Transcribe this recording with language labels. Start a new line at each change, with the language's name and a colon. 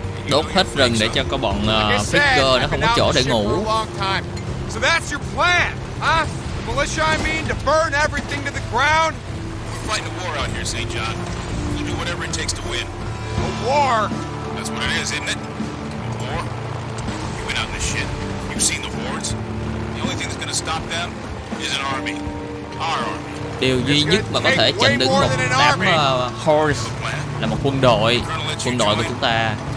Vietnamese: Đốt hết rừng để cho có bọn Faker nó không có chỗ để ngủ.
English: So that's your plan, huh? Militia, I mean, to burn everything to the ground. Fighting a war out here, St. John. We'll do whatever it takes to win. A war? That's what it is, isn't it? A war? You went out in the shit. You've seen the hordes. The only thing that's gonna stop them is an army. Our army.
Vietnamese: Điều duy nhất mà có thể chặn đứng một đám horse là một quân đội của chúng ta.